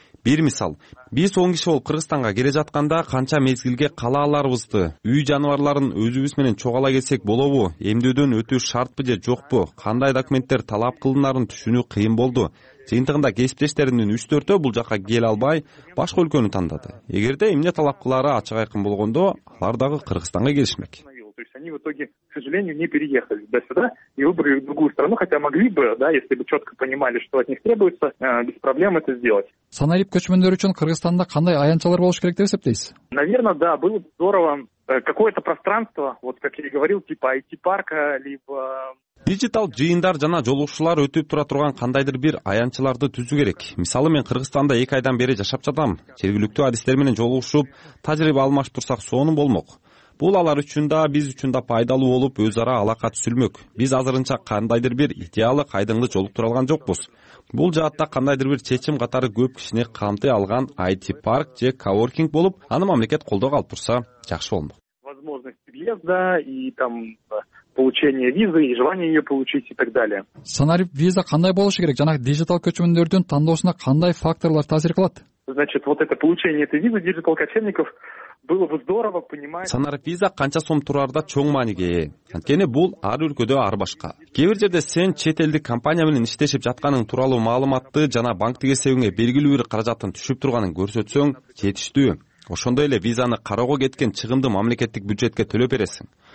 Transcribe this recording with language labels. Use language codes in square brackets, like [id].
[ky] Бир мисал, биз 10 киши болуп Кыргызстанга келе жатканда канча мезгилге кала аларбызды, үй жаныбарларын өзүбүз менен чогала келсек болобу, эмдөөдөн өтүү шартпы же жокпу, кандай документтер талап кылынарын түшүнүү кыйын болду. Жыйынтыгында кесиптештеримдин 3-4 бул жака келе албай, башка өлкөнү тандады. Эгерде эмне талап кылары ачык айкын болгондо, алар дагы Кыргызстанга келишмек. [ru] Они в итоге, к сожалению, не переехали до сюда и выбрали другую страну, хотя могли бы, да, если бы четко понимали, что от них требуется, без проблем это сделать. [ky] Санарип көчмөндөр үчүн Кыргызстанда кандай аянтчылар болуш керек деп эсептейсиз? [ru] Наверное, да, было бы здорово какое-то пространство, вот как я и говорил, типа IT-парка, либо... [ky] Дижитал жыйындар жана жолугушуулар өтүп тура турган кандайдыр бир аянтчыларды түзүү керек. Мисалы, мен Кыргызстанда 2 айдан бери жашап жатам. Жергиликтүү адистер менен жолугушуп, тажрыйба алмаштырсак сонун болмок. Бул алар үчүн да, биз үчүн да пайдалуу болуп, өз ара алака түзүлмөк. Биз азырынча кандайдыр бир идеалдык айдыңды жолуктура алган жокпуз. Бул жаатта кандайдыр бир чечим катары көп кишини камтый алган IT-парк же коворкинг болуп, аны мамлекет колдоо алып турса жакшы болмок. [ru] Возможность въезда и там получения визы, и желание ее получить и так далее. [ky] Санарип виза кандай болушу керек жана дижитал көчмөндөрдүн тандоосуна кандай факторлор таасир кылат? [ru] Значит, вот это получение этой визы дижитал кочевников было бы здорово понимать. [ky] Санарип виза канча сом турарда чоң мааниге ээ. Анткени бул ар өлкөдө ар башка. Кээ бир жерде сен чет элдик компания менен иштешип жатканың тууралуу маалыматты жана банктык эсебиңе белгилүү бир каражаттын түшүп турганын көрсөтсөң жетиштүү. Ошондой эле визаны кароого кеткен чыгымды мамлекеттик бюджетке төлөп бересиң.